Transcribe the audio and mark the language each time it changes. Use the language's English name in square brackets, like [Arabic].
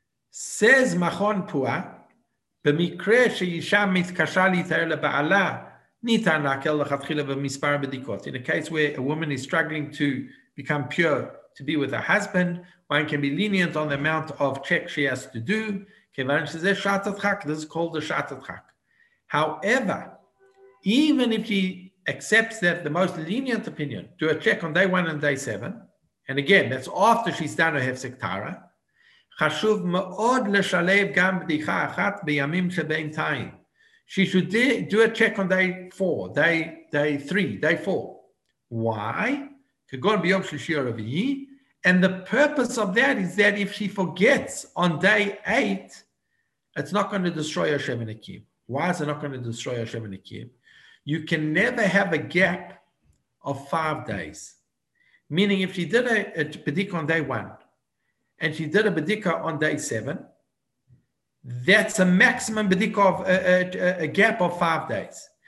[English] Says Machon Pua, [Hebrew] במקרה שאישה מתקשה להתאר לבעלה, ניתן להקל לכתחילה במספר בדיקות. [English] In a case where a woman is struggling to become pure, to be with her husband, one can be lenient on the amount of checks she has to do. [Hebrew] כיוון שזה שעת הדחק, [English] this is called the [Hebrew] שעת הדחק. [English] However, even if she accepts that the most lenient opinion, do a check on day one and day seven, and again, that's after she's done her hefsek tara, [Hebrew] חשוב מאוד לשלב גם בדיחה אחת בימים שבינתיים. [English] She should do a check on day four, day three, day four. Why? [Hebrew] כגון ביום שלישי או רביעי. [English] And the purpose of that is that if she forgets on day eight, it's not going to destroy her Shem Nekim. Why is it not going to destroy her Shem Nekim? You can never have a gap of 5 days. Meaning if she did a bedika on day one, and she did a bedika on day seven, that's a maximum bedika of a gap of 5 days.